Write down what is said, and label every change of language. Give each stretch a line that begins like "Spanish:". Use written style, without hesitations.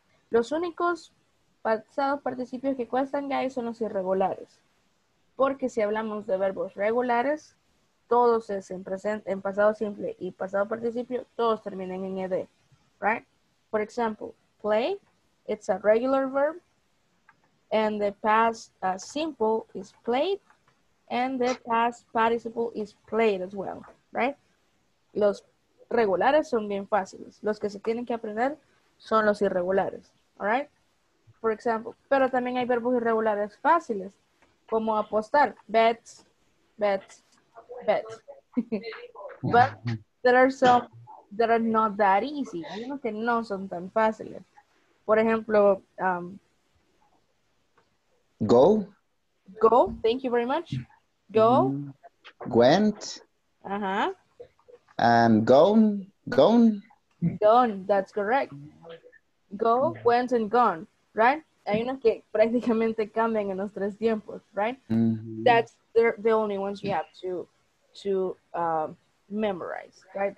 Spanish: Los únicos pasados participios que cuestan, guys, son los irregulares. Porque si hablamos de verbos regulares, todos es en pasado simple y pasado participio, todos terminan en ed, right?
English: For example, play, it's a regular verb, and the past simple is played, and the past participle is played as well, right?
Spanish: Los regulares son bien fáciles. Los que se tienen que aprender son los irregulares.
English: Alright? For example.
Spanish: Pero también hay verbos irregulares fáciles, como apostar.
English: Bet. But there are not that easy.
Spanish: Hay unos que no son tan fáciles. Por ejemplo,
English: Go, thank you very much. Go. Went. Uh-huh. And gone, that's correct. Go, went, and gone, right?
Spanish: Hay unos que prácticamente cambian en los tres tiempos, right? Mm-hmm.
English: That's the only ones you have to memorize, right?